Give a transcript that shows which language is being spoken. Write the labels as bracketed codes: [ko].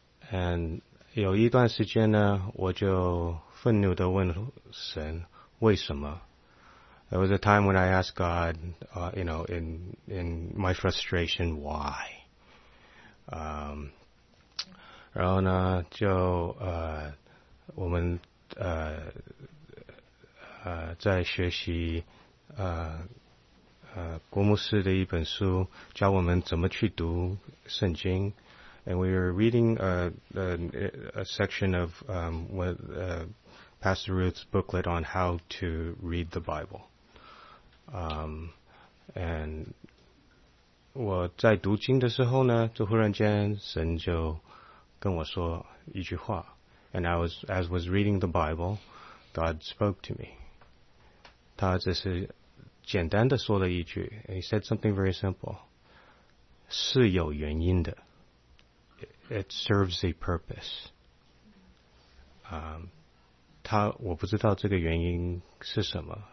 [zh] And 有一段时间呢，我就愤怒地问神为什么。 [en] There was a time when I asked God, in my frustration, why? [zh] 然后呢，就我们在学习郭牧师的一本书，教我们怎么去读圣经。 [en] And we were reading a section of Pastor Ruth's booklet on how to read the Bible. [zh] And 我在读经的时候呢，就忽然间神就跟我说一句话。 [en] And I was, as was reading the Bible, God spoke to me. [zh] 他只是简单的说了一句。 [en] He said something very simple. [zh] 是有原因的。 [en] It serves a purpose. [zh] 我不知道这个原因是什么。